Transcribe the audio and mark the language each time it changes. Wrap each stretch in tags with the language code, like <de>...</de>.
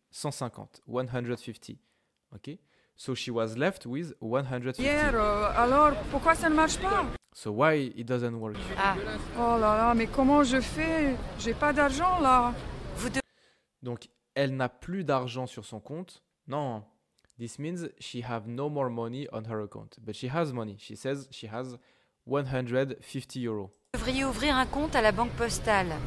<en>150, 150, ok? So she was left with 150.</en> <fr>Hier, alors pourquoi ça ne marche pas?</fr> <en>So why it doesn't work? Ah.</en> <fr>Oh là là, mais comment je fais? J'ai pas d'argent là. Vous devez... Donc, elle n'a plus d'argent sur son compte. Non.</fr> <en>This means she have no more money on her account. But she has money. She says she has 150 euros.</en> <fr>Vous devriez ouvrir un compte à la banque postale.</fr>